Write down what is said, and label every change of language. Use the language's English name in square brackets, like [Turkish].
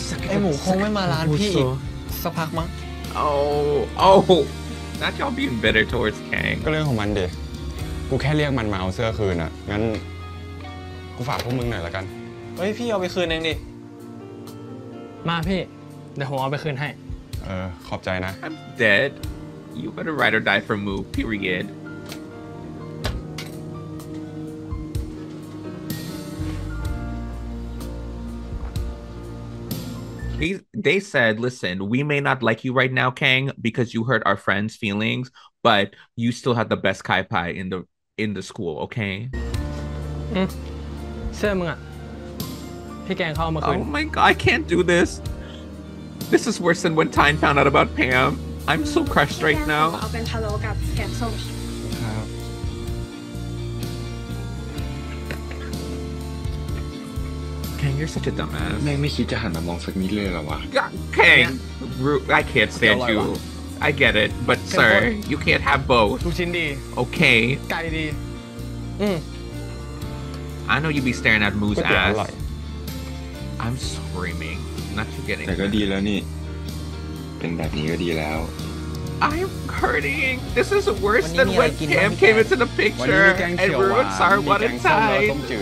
[Thai] ไอหมูคงไม่มาร้านพี่สักพักมั้ง [English] โอ้โอ้ That y'all being bitter towards Kang [Thai] ก็เรื่องของมันเดี๋ยวกูแค่เรียกมันมาเอาเสื้อคืนอ่ะงั้นกูฝากพวกมึงหน่อยละกัน เฮ้ยพี่เอาไปคืนเองดิมาพี่เดี๋ยวผมเอาไปคืนให้เออขอบใจนะ [English] I'm dead You better ride or die for move periodThey said, listen, we may not like you right now, Kang, because you hurt our friend's feelings, but you still have the best kai pie in the school, okay? Oh my god, I can't do this. This is worse than when Tyne found out about Pam. I'm so crushed right now. You're such a dumbass. [Thai] แม่งไม่คิดจะหันมามองสักนิดเลยหรอวะ [English] Kang, I can't stand you. I get it, but sir, you can't have both. [Thai] ทุกชิ้นดี [English] Okay. [Thai] ไก่ดี [English] I know you'd be staring at Moo's ass. I'm screaming. Not forgetting. [Thai] แต่ก็ดีแล้วนี่เป็นแบบนี้ก็ดีแล้ว [English] I'm hurting. This is worse than when Cam came into the picture and ruined Sarwan and Ty.